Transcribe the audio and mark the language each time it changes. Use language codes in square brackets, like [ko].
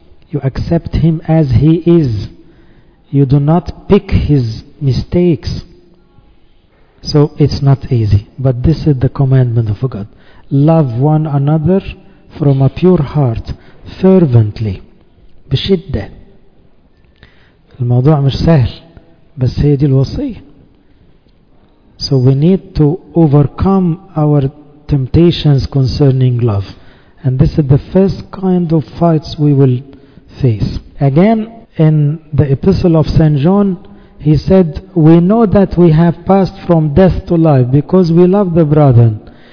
[en] You accept him as he is. You do not pick his mistakes. So it's not easy. But this is the commandment of God. Love one another from a pure heart, fervently. [ar] بشدة. الموضوع مش سهل, بس هي دي الوصية. [en] So we need to overcome our temptations concerning love. And this is the first kind of fights we will face. Again, in the epistle of St. John, he said, we know that we have passed from death to life because we love the brethren.